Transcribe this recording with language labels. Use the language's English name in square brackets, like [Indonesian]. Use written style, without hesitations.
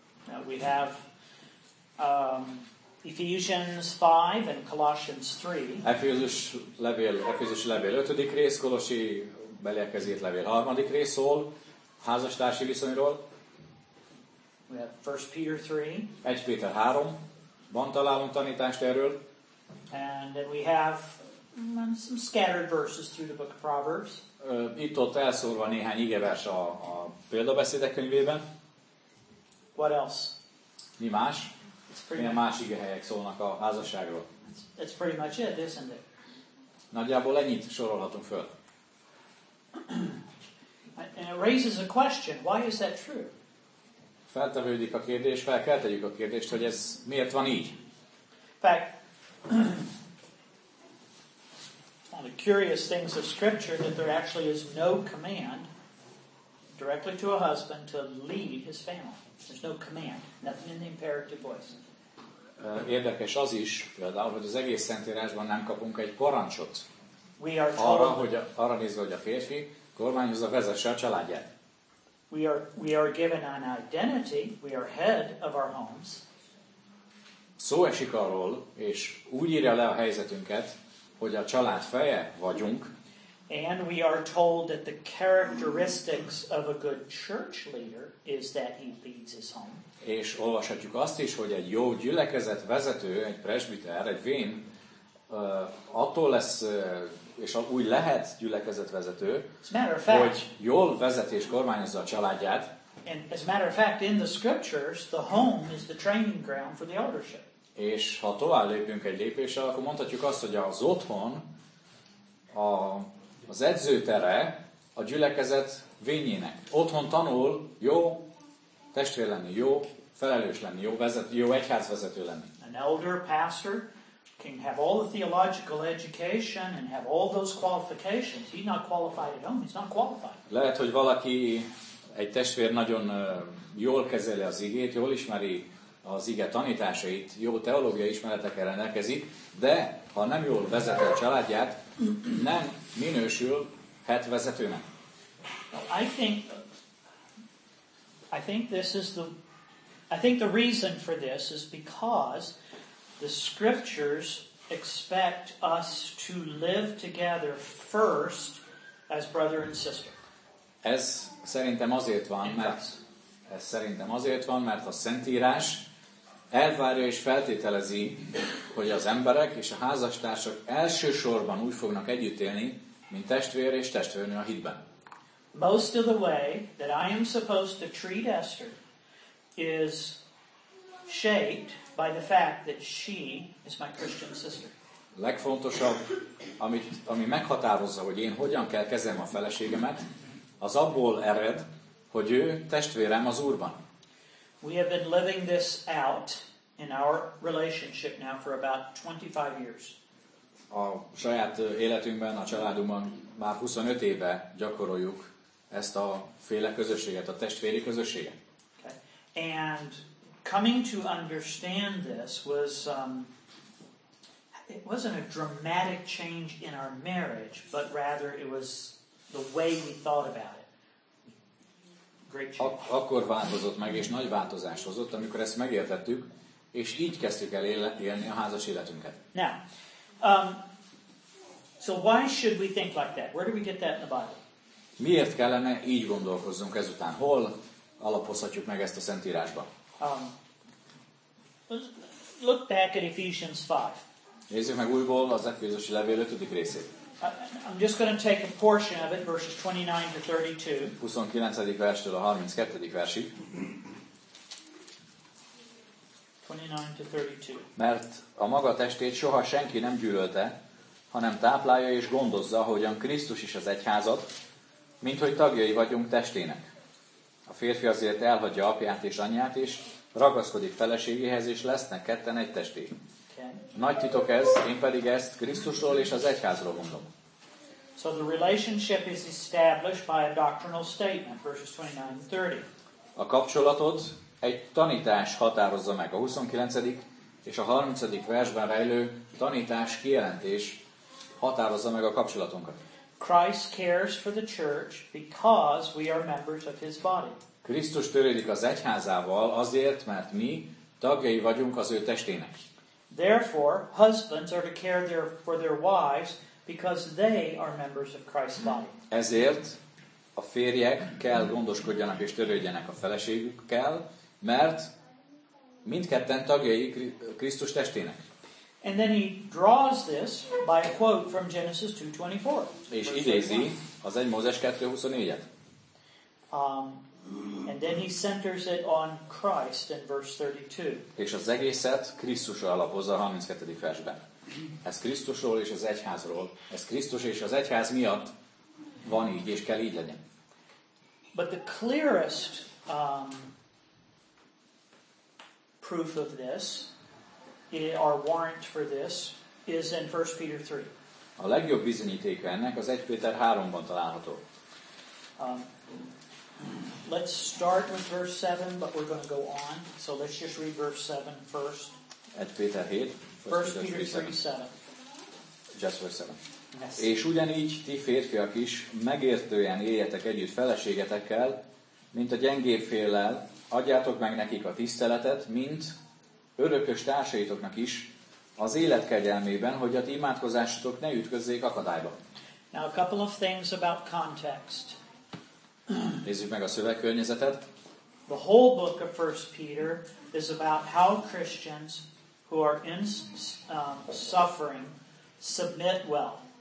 [English] Now we have Ephesians 5 and Colossians 3. [Hungarian] Efézus levél 5. rész, Kolossi beliekezét levél 3. rész szól házastársi viszonyról. [English] We have 1 Peter 3. [Hungarian] 1 Péter 3. Van találunk tanítást erről. [English] And then we have some scattered verses through the book of Proverbs. [Hungarian] Itt ott elszórva néhány igevers a példabeszédek könyvében. [English] What else? [Hungarian] Mi más? Milyen más igehelyek szólnak a házasságról? [English] That's pretty much it, isn't it? [Hungarian] Nagyjából ennyit sorolhatunk föl. [English] And it raises a question, why is that true? [Hungarian] Feltevődik a kérdés, fel kell tegyük a kérdést, hogy ez miért van így? [English] In fact, one of the curious things of Scripture that there actually is no command directly to a husband to lead his family. There's no command, nothing in the imperative voice. [Hungarian] Érdekes az is, például, hogy az egész Szentírásban nem kapunk egy parancsot arra, hogy arra nézve, hogy a férfi kormányozza, vezesse a családját. [English] We are given an identity, we are head of our homes. [Hungarian] Szó esik arról, és úgy írja le a helyzetünket, hogy a család feje vagyunk. [English] And we are told that the characteristics of a good church leader is that he leads his home. [Hungarian] És olvashatjuk azt is, hogy egy jó gyülekezet vezető, egy presbiter, egy vén, attól lesz, és úgy lehet gyülekezet vezető, hogy jól vezet és kormányozza a családját. [English] And as a matter of fact, in the scriptures, the home is the training ground for the eldership. [Hungarian] És ha tovább lépünk egy lépéssel, akkor mondhatjuk azt, hogy az otthon az edzőtere a gyülekezet vénjének. Otthon tanul jó testvér lenni, jó felelős lenni, jó egyházvezető lenni. [English] An elder pastor can have all the theological education and have all those qualifications. He's not qualified at home. He's not qualified. [Hungarian] Lehet, hogy valaki, egy testvér nagyon jól kezeli az igét, jól ismeri az ige tanításait, jó teológiai ismeretekkel rendelkezik, de ha nem jól vezeti a családját, nem minősülhet vezetőnek. [English] I think the reason for this is because the scriptures expect us to live together first as brother and sister. [Hungarian] Ez szerintem azért van, mert a Szentírás elvárja és feltételezi, hogy az emberek és a házastársak elsősorban úgy fognak együtt élni, mint testvér és testvérnő a hitben. [English] Most of the way that I am supposed to treat Esther is shaped by the fact that she is my Christian sister. [Hungarian] Legfontosabb, ami meghatározza, hogy én hogyan kell kezelnem a feleségemet, az abból ered, hogy ő testvérem az Úrban. [English] We have been living this out in our relationship now for about 25 years. [Hungarian] A saját életünkben, a családunkban már 25 éve gyakoroljuk ezt a féle közösséget, a testvéri közösséget. [English] Okay. And coming to understand this was it wasn't a dramatic change in our marriage, but rather it was the way we thought about it. Great change. [Hungarian] Akkor változott meg, és nagy változás hozott, amikor ezt megértettük, és így kezdtük el élni a házas életünket. [English] Now, so why should we think like that? Where do we get that in the Bible? [Hungarian] Miért kellene így gondolkozzunk ezután? Hol alapozhatjuk meg ezt a Szentírásba? [English] Look back at Ephesians 5. [Hungarian] Nézzük meg újból az Efézusi levél 5. részét. [English] I'm just going to take a portion of it, verses 29 to 32. [Hungarian] 29. verstől a 32. versig. 29-32. Mert a maga testét soha senki nem gyűlölte, hanem táplálja és gondozza, ahogyan Krisztus is az egyházat, minthogy tagjai vagyunk testének. A férfi azért elhagyja apját és anyját, és ragaszkodik feleségéhez, és lesznek ketten egy testé. Nagy titok ez, én pedig ezt Krisztusról és az egyházról mondom. [English] So the relationship is established by a doctrinal statement, verses 29-30. [Hungarian] A kapcsolatot egy tanítás határozza meg, a 29. és a 30. versben rejlő tanítás kijelentés határozza meg a kapcsolatunkat. [English] Christ cares for the church because we are members of his body. [Hungarian] Krisztus törődik az egyházával azért, mert mi tagjai vagyunk az ő testének. [English] Therefore, husbands are to care for their wives because they are members of Christ's body. [Hungarian] Ezért a férjek kell gondoskodjanak és törődjenek a feleségükkel, mert mindketten tagjai Krisztus testének. [English] And then he draws this by a quote from Genesis 2:24. [Hungarian] És idézi az 1 Mózes 2:24-et. [English] And then he centers it on Christ in verse 32. [Hungarian] És az egészet Krisztusra alapozza a 32. versben. Ez Krisztusról és az egyházról, ez Krisztus és az egyház miatt van így, és kell így legyen. [English] But the clearest proof of this, our warrant for this, is in 1 Peter 3. [Hungarian] A legjobb bizonyítéka ennek az 1 Péter 3-ban található. [English] Let's start with verse 7, but we're going to go on. So let's just read verse 7 first. [Hungarian] 1 Péter 7. [English] 1 Peter 3:7. Just verse 7. [Hungarian] És ugyanígy ti férfiak is megértően éljetek együtt feleségetekkel, mint a gyengébb féllel, adjátok meg nekik a tiszteletet, mint örökös társaitoknak is az élet kegyelmében, hogy a ti imádkozásotok ne ütközzék akadályba. [English] Now a couple of things about context. [Hungarian] Nézzük meg a szövegkörnyezetet. [English] The whole book of 1 Peter is about how Christians who are in suffering submit well.